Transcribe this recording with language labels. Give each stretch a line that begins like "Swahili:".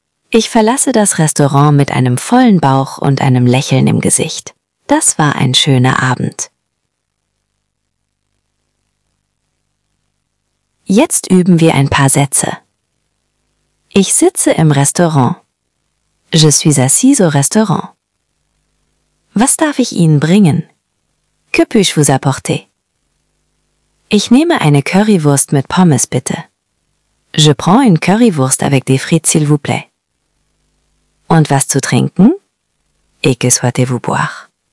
German: Ich verlasse das Restaurant mit einem vollen Bauch und einem Lächeln im Gesicht. Das war ein schöner Abend. Jetzt üben wir ein paar Sätze. Ich sitze im Restaurant.
French: Je suis assise au restaurant.
German: Was darf ich Ihnen bringen?
French: Que puis-je vous apporter?
German: Ich nehme eine Currywurst mit Pommes, bitte.
French: Je prends une Currywurst avec des frites, s'il vous plaît.
German: Und was zu trinken?
French: Et que souhaitez-vous boire?